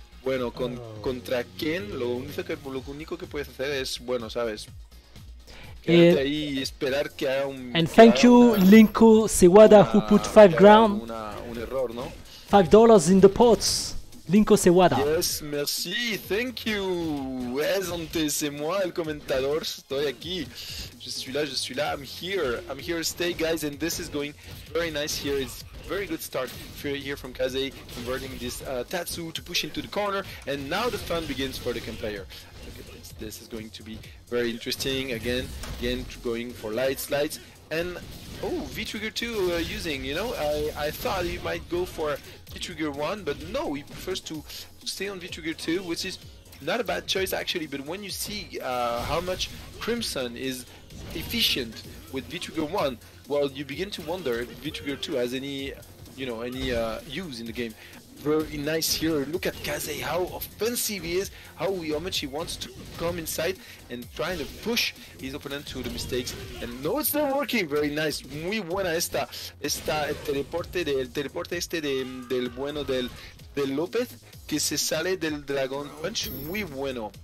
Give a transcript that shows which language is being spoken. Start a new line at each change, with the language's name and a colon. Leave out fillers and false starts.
Spanish: Bueno, contra Ken, lo único que puedes hacer es, bueno, sabes, quedarte ahí y esperar que haga un...
English: And thank you, Linko Sewada, who put 5 grand.
Spanish: Un error, ¿no?
English: $5 in the pots, Linko Sewada. Yes, merci, thank you.
Spanish: Es antes,
French: c'est moi,
Spanish: el comentador, estoy aquí.
French: Je suis là,
English: I'm here to stay, guys, and this is going very nice here. It's very good start here from Kazei, converting this Tatsu to push into the corner, and now the fun begins for the Ken player. Look at this, this is going to be very interesting. Again going for lights, and oh, V-Trigger 2 using, you know, I thought he might go for V-Trigger 1, but no, he prefers to stay on V-Trigger 2, which is not a bad choice actually, but when you see how much Crimson is efficient with V-Trigger 1, well, you begin to wonder if V-Trigger 2 has any, you know, any use in the game. Very nice here. Look at Kazei, how offensive he is, how much he wants to come inside and trying to push his opponent to the mistakes. And no, it's not working. Very nice.
Spanish: Muy buena esta el teleporte este del bueno del López, que se sale del Dragon Punch. Muy bueno.